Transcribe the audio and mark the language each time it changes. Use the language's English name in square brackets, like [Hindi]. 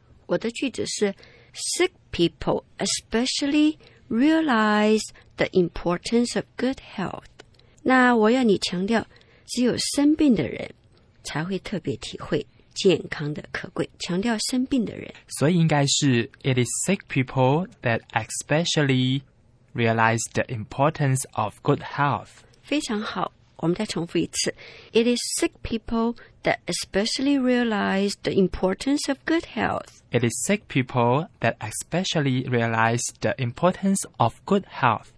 [Chinese] 我的句子是 [English] sick people especially realize the importance of good health。 [Chinese] 那我要你强调只有生病的人才会特别体会健康的可贵，强调生病的人。所以应该是 [English] It is sick people that especially realize the importance of good health. [Chinese] 非常好，我们再重复一次。 [English] It is sick people that especially realize the importance of good health. It is sick people that especially realize the importance of good health.